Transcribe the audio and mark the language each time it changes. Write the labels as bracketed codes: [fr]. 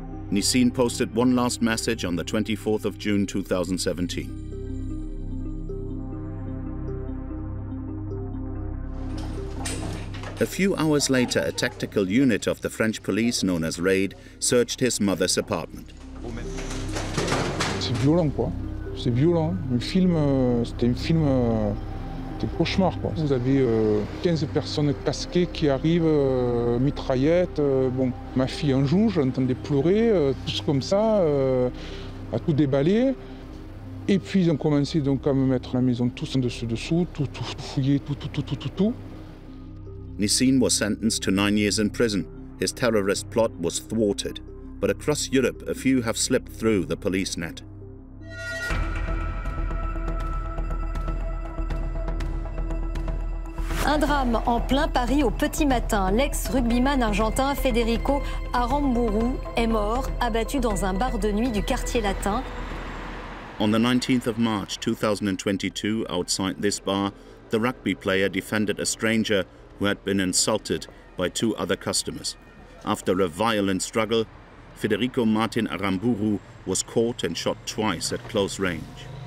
[en] Nissin posted one last message on the 24th of June 2017. A few hours later, a tactical unit of the French police, known as RAID, searched his mother's apartment. [fr] C'est violent, quoi. C'est violent. C'était un cauchemar, quoi. Vous avez 15 personnes casquées qui arrivent, mitraillettes. Bon, ma fille en joue, j'entendais pleurer, tout comme ça, à tout déballer. Et puis ils ont commencé donc à me mettre la maison tous en dessous, tout fouiller. [en] Nissin was sentenced to 9 years in prison. His terrorist plot was thwarted. But across Europe, a few have slipped through the police net. [fr] Un drame en plein Paris au petit matin. L'ex-rugbyman argentin Federico Aramburu est mort, abattu dans un bar de nuit du quartier latin. [en] On the 19th of March 2022, outside this bar, the rugby player defended a stranger who had been insulted by two other customers. After a violent struggle, Federico Martin Aramburu was caught and shot twice at close range.